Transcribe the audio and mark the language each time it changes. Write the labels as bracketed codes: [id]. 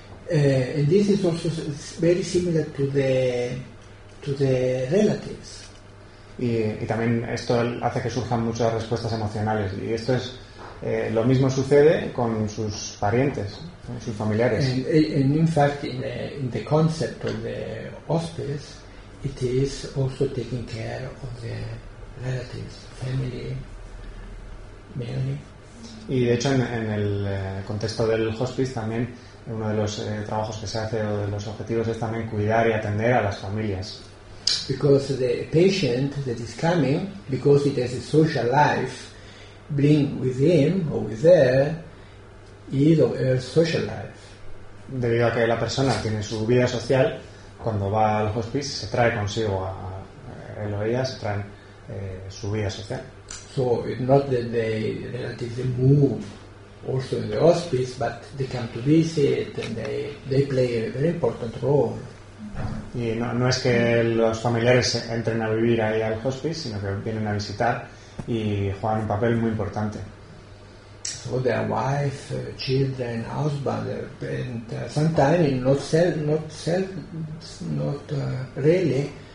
[en] And this is also very similar to the relatives. [es] Y también esto hace que surjan muchas respuestas emocionales, y esto es lo mismo sucede con sus parientes, sus familiares. [en] And in fact, in the concept of the hospice, it is also taking care of the relatives, family, mainly. [es] Y de hecho, en el contexto del hospice también, uno de los trabajos que se hace o de los objetivos es también cuidar y atender a las familias. [en] Because the patient that is coming, because it has a social life, bring with him or with her his or her social life. [es] Debido a que la persona tiene su vida social, cuando va al hospice se trae consigo a él o ella, se traen su vida social. [en] So it's not that they relatively move also in the hospice, but they come to visit and they play a very important role. [es] Y no es que los familiares entren a vivir ahí al hospice, sino que vienen a visitar y juegan un papel muy importante. [en] So their wife, children, husband, and sometimes not really.